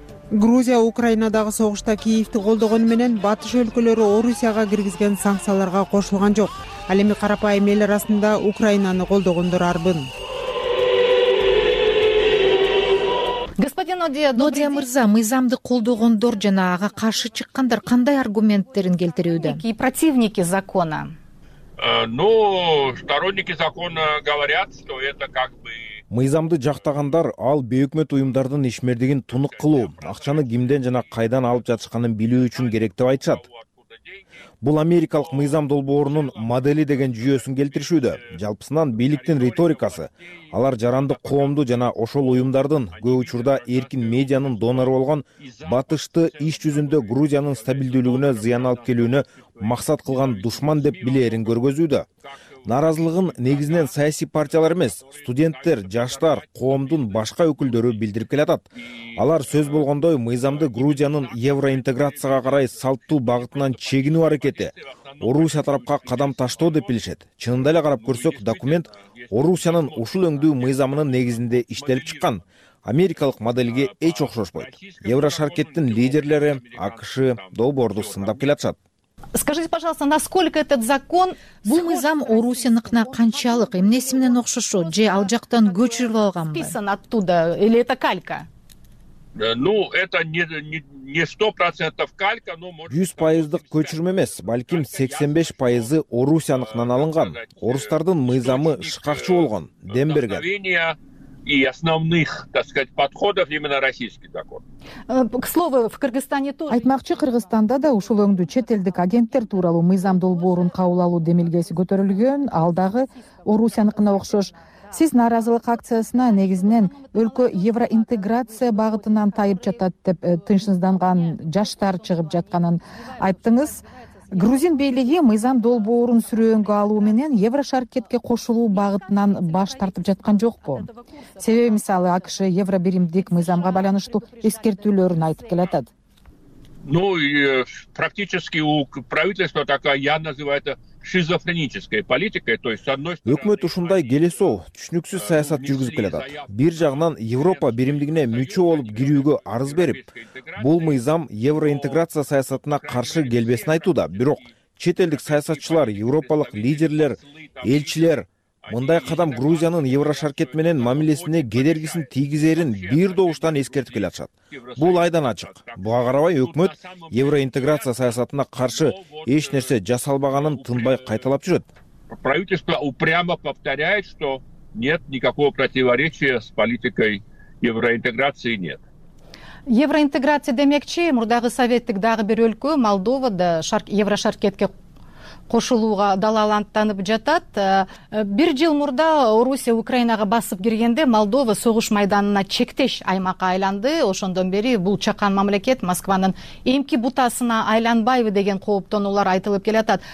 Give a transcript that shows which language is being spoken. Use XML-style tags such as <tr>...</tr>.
<ky>Грузия Украинадагы согушта Киевти колдогону менен батыш өлкөлөрү Орусияга киргизген санкцияларга кошулган жок. Ал эми карапайым эл арасында Украинаны колдогондор арбын.</ky> <ru>Господин Нодия,</ru> <ky>Нодия мырза, мыйзамды колдогондор жана ага каршы чыккандар кандай аргументтерин келтирүүдө?</ky> <ru>И противники закона. Сторонники закона говорят, что это как бы</ru> <ky>мыйзамды жактагандар ал бейөкмөт уюмдардын ишмердигин тунук кылуу, акчаны кимден жана кайдан алып жатышканын билүү үчүн керек деп айтышат. Бул америкалык мыйзам долбоорунун модели деген жүйөсүн келтиришүүдө. Жалпысынан бийликтин риторикасы алар жарандык коомду жана ошол уюмдардын көп учурда эркин медианын донору болгон батышты иш жүзүндө Грузиянын стабилдүүлүгүнө зыян алып келүүнү максат кылган душман деп билээрин көргөзүүдө. Нааразылыгын негизинен саясий партиялар эмес, студенттер, жаштар, коомдун башка өкүлдөрү билдирип келатат. Алар сөз болгондой мыйзамды Грузиянын евроинтеграцияга карай салттуу багытынан чегинүү аракети, Орусия тарапка кадам таштоо деп билишет. Чынында эле карап көрсөк, документ Орусиянын ушул өңдүү мыйзамынын негизинде иштелип чыккан. Америкалык моделге эч окшошпойт. Еврошаркеттин лидерлери АКШ долбоорду сындап келатышат.</ky> <ru>Скажите, пожалуйста, насколько этот закон...</ru> <ky>Бул мыйзам Орусиянкына канчалык, эмнеси менен окшошо, же ал жактан көчүрүлүп алганбы?</ky> <ru>Списан оттуда, или это калька? Ну, это не 100% калька, но может...</ru> <ky>100% көчүрмө эмес, балким 85% Орусиянкынан алынган. Орустардын мыйзамы шыкакчы болгон, дем берген.</ky> <ru>И основных, так сказать, подходов именно российский закон. К слову, в Кыргызстане тоже...</ru> <ky>Айтмакчы, Кыргызстанда да ушул өңдү чет элдик агенттер тууралуу мыйзам долбоорун кабыл алуу демилгеси көтөрүлгөн, ал дагы Орусиянкына окшош. Сиз нааразылык акциясына негизинен өлкө евроинтеграция багытынан тайып жатат деп тынчсызданган жаштар чыгып жатканын айттыңыз. Грузин бийлиги мыйзам долбоорун сүрөнгө алуу менен Еврошаркетке кошулуу багытынан баш тартып жаткан жокпу? Себеби мисалы АКШ евробиримдик мыйзамга байланыштуу эскертүүлөрүн айтып келатат.</ky> <ru>Ну, практически у правительства такая, я называю это шизофреническая политика, то есть с одной стороны...</ru> <ky>Өкмөт ушундай келесоо, түшүнүксүз саясат жүргүзүп келатат. Бир жагынан Европа биримдигине мүчө болуп кирүүгө арыз берип, бул мыйзам евроинтеграция саясатына каршы келбесин айтууда. Бирок чет элдик саясатчылар, европалык лидерлер, элчилер мындай кадам Грузиянын Еврошаркет менен мамилесине кедергисин тийгизерин бир добуштан эскертип келатышат. Бул айдан ачык. Буга карабай өкмөт евроинтеграция саясатына каршы эч нерсе жасалбаганын тынбай кайталап жүрөт.</ky> <ru>Правительство упрямо повторяет, что нет никакого противоречия с политикой евроинтеграции нет.</ru> <ky>Евроинтеграция демекчи, мурдагы советтик дагы бир өлкө, Молдова да Еврошаркетке кошулууга далалантанып жатат. Бир жыл мурда Орусия Украинага басып киргенде Молдова согуш майданына чектеш аймакка айланды. Ошондон бери бул чакан мамлекет Москванын эмки бутасына айланбайбы деген кооптонуулар айтылып келатат.</ky>